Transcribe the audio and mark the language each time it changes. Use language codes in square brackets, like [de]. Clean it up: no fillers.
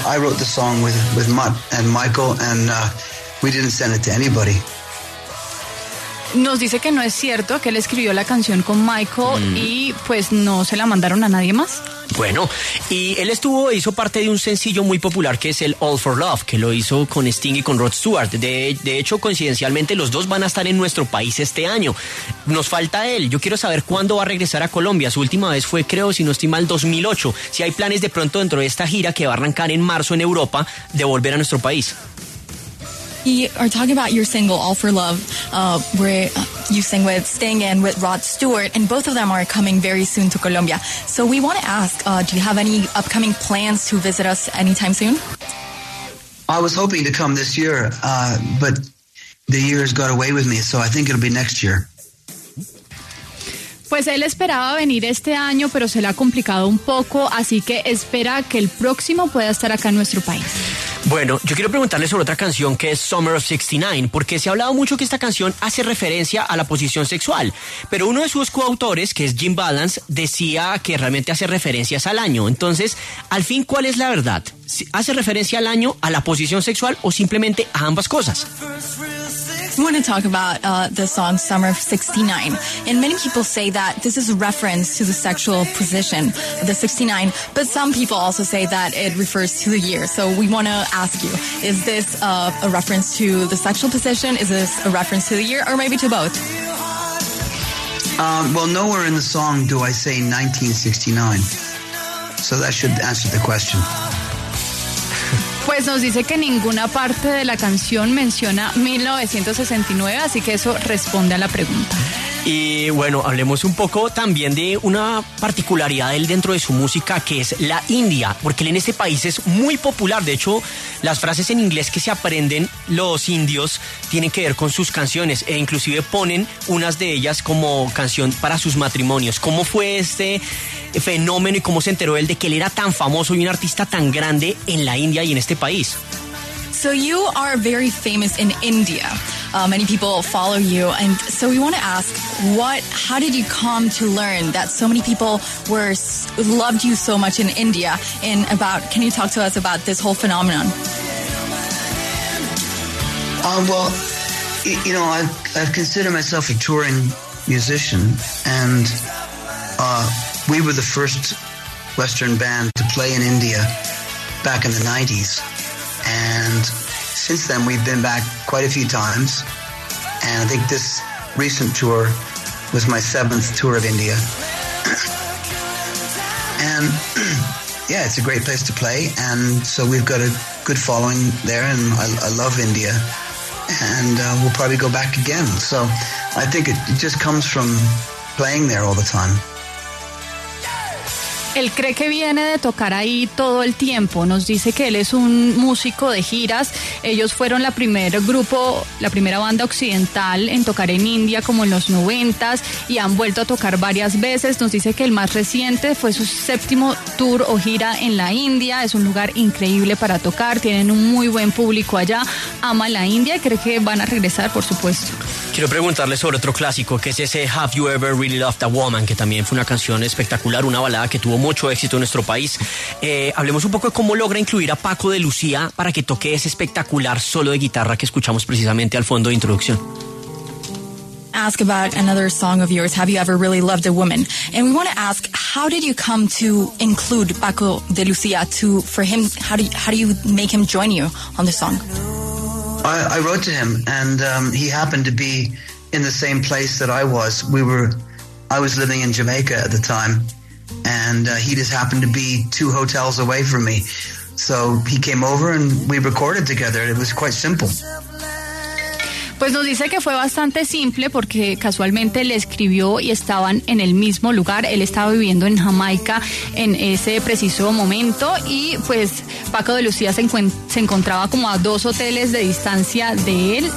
[en] I wrote the song with Mutt and Michael, and we didn't send it to anybody. [es] Nos dice que no es cierto, que él escribió la canción con Michael y pues no se la mandaron a nadie más. Bueno, y él hizo parte de un sencillo muy popular que es el All for Love, que lo hizo con Sting y con Rod Stewart. De hecho, coincidencialmente, los dos van a estar en nuestro país este año. Nos falta él. Yo quiero saber cuándo va a regresar a Colombia. Su última vez fue, creo, si no estoy mal, 2008. Si hay planes de pronto dentro de esta gira que va a arrancar en marzo en Europa de volver a nuestro país. [en] We are talking about your single All for Love, where you sing with Sting and with Rod Stewart, and both of them are coming very soon to Colombia. So we want to ask, do you have any upcoming plans to visit us anytime soon? I was hoping to come this year, but the years got away with me, so I think it'll be next year. [es] Pues él esperaba venir este año, pero se le ha complicado un poco, así que espera que el próximo pueda estar acá en nuestro país. Bueno, yo quiero preguntarle sobre otra canción que es Summer of 69, porque se ha hablado mucho que esta canción hace referencia a la posición sexual, pero uno de sus coautores, que es Jim Balance, decía que realmente hace referencias al año. Entonces, al fin, ¿cuál es la verdad? ¿Hace referencia al año, a la posición sexual o simplemente a ambas cosas? [en] I want to talk about the song Summer of 69. And many people say that this is a reference to the sexual position, the 69. But some people also say that it refers to the year. So we want to ask you, is this a reference to the sexual position? Is this a reference to the year, or maybe to both? Well, nowhere in the song do I say 1969. So that should answer the question. [es] Pues nos dice que ninguna parte de la canción menciona 1969, así que eso responde a la pregunta. Y bueno, hablemos un poco también de una particularidad de él dentro de su música, que es la India, porque él en este país es muy popular. De hecho, las frases en inglés que se aprenden los indios tienen que ver con sus canciones, e inclusive ponen unas de ellas como canción para sus matrimonios. ¿Cómo fue este fenómeno y cómo se enteró él de que él era tan famoso y un artista tan grande en la India y en este país? [en] So you are very famous in India. Many people follow you. And so we want to ask, how did you come to learn that so many people loved you so much in India? And can you talk to us about this whole phenomenon? Well, you know, I've considered myself a touring musician. And we were the first Western band to play in India back in the 90s. And since then, we've been back quite a few times. And I think this recent tour was my seventh tour of India. And yeah, it's a great place to play. And so we've got a good following there, and I love India. And we'll probably go back again. So I think it just comes from playing there all the time. [es] Él cree que viene de tocar ahí todo el tiempo. Nos dice que él es un músico de giras. Ellos fueron la primera banda occidental en tocar en India como en los 90s y han vuelto a tocar varias veces. Nos dice que el más reciente fue su séptimo tour o gira en la India. Es un lugar increíble para tocar. Tienen un muy buen público allá. Ama la India y cree que van a regresar, por supuesto. Quiero preguntarle sobre otro clásico, que es ese Have You Ever Really Loved a Woman, que también fue una canción espectacular, una balada que tuvo mucho éxito en nuestro país. Hablemos un poco de cómo logra incluir a Paco de Lucía para que toque ese espectacular solo de guitarra que escuchamos precisamente al fondo de introducción. [en] Ask about another song of yours, Have You Ever Really Loved a Woman? And we want to ask, how did you come to include Paco de Lucía how do you make him join you on the song? I wrote to him, and he happened to be in the same place that I was. I was living in Jamaica at the time, and he just happened to be two hotels away from me. So he came over, and we recorded together. It was quite simple. [es] Pues nos dice que fue bastante simple porque casualmente le escribió y estaban en el mismo lugar. Él estaba viviendo en Jamaica en ese preciso momento y pues Paco de Lucía se encontraba como a dos hoteles de distancia de él.